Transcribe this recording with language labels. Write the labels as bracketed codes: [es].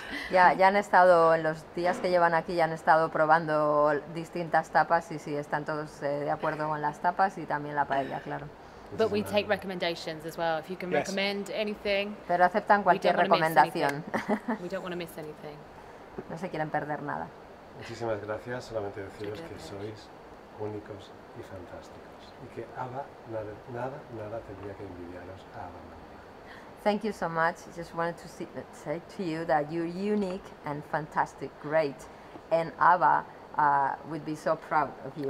[es] Ya han estado, en los días que llevan aquí, ya han estado probando distintas tapas y sí, están todos de acuerdo con las tapas y también la paella, claro. [en] But we take recommendations as well. If you can recommend anything, [es] pero aceptan cualquier recomendación. [en] We don't want to miss anything. [es] No se quieren perder nada. Muchísimas gracias. Solamente deciros que sois únicos y fantásticos. Y que ABBA, nada tendría que envidiaros a ABBA. [en] Thank you so much. Just wanted to say to you that you're unique and fantastic, great. And ABBA would be so proud of you.